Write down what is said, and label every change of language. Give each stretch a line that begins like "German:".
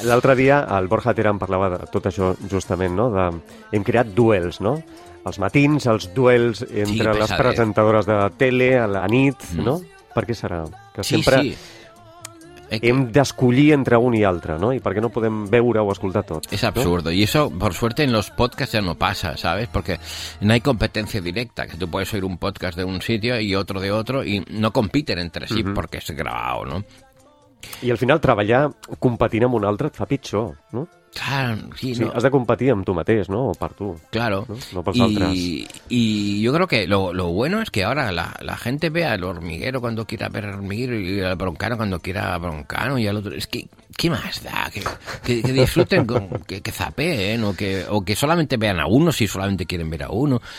Spanish: El otro día al Borja Terán hablaba de todo eso justamente, ¿no?
Catalan: De, hem creat duels, ¿no? Els matins, els duels entre sí, les presentadores de tele, a la nit, ¿no?
Spanish: ¿Por qué será?
Catalan: Que sí, sempre... sí. Hem d'escollir entre un i altre, no? I per què no podem veure o escoltar tot? És absurd. I això, per suerte,
Spanish: en los podcasts
Catalan: ja no passa,
Spanish: ¿sabes? Porque no hay competencia directa, que tú puedes oír un podcast de un sitio y otro de otro y no compiten entre sí porque es grabado, ¿no?
Catalan: I al final, treballar competint amb un altre et fa pitjor, no?
Spanish: Claro, sí, no.
Catalan: Has de competir amb tu mateix, no? O per tu.
Spanish: Claro.
Catalan: No pels altres.
Spanish: Y yo creo que lo bueno es que ahora la gente vea al Hormiguero cuando quiera ver al Hormiguero y al Broncano cuando quiera a Broncano y al otro. Es que, ¿qué más da? Que disfruten, que zapeen, o que solamente vean a uno si solamente quieren ver a uno.